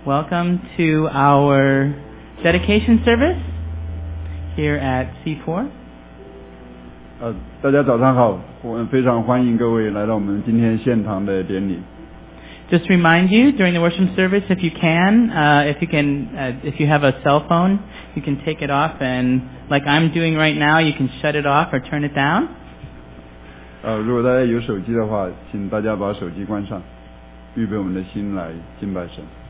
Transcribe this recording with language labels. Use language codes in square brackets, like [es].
[en] Welcome to our dedication service here at C4. [zh] 大家早上好，我们非常欢迎各位来到我们今天现堂的典礼。 [en] Just to remind you, during the worship service, if you have a cell phone, you can take it off, and like I'm doing right now, you can shut it off or turn it down. [zh] 如果大家有手机的话，请大家把手机关上，预备我们的心来敬拜神。